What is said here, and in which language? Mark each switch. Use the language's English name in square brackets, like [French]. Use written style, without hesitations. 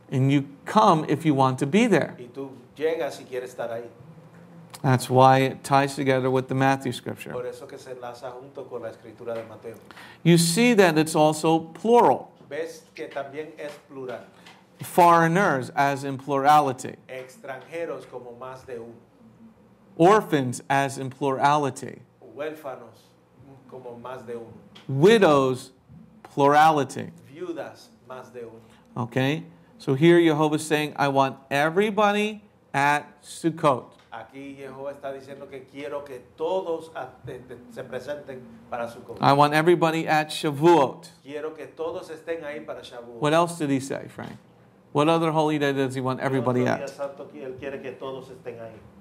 [English] And you come if you want to be there. [Spanish] Y tú llegas si quieres estar ahí. [English] That's why it ties together with the Matthew scripture. [Spanish] Por eso que se enlaza junto con la escritura de Mateo. [English] You see that it's also plural. [Spanish] Ves que también es plural. [English] Foreigners as in plurality. [Spanish] Extranjeros como más de uno. [English] Orphans as in plurality. [Spanish] Huérfanos como más de uno. [English] Widows, plurality. [Spanish] Viudas, más de uno. [English] Okay, so here Jehovah's saying, I want everybody at Sukkot. [Spanish] Aquí Jehová está diciendo que quiero que todos se presenten para Sukkot. [English] I want everybody at Shavuot. [Spanish] Quiero que todos estén ahí para Shavuot. [English] What else did he say, Frank? What other holy day does he want everybody at? [Spanish] El santo que él quiere que todos estén ahí.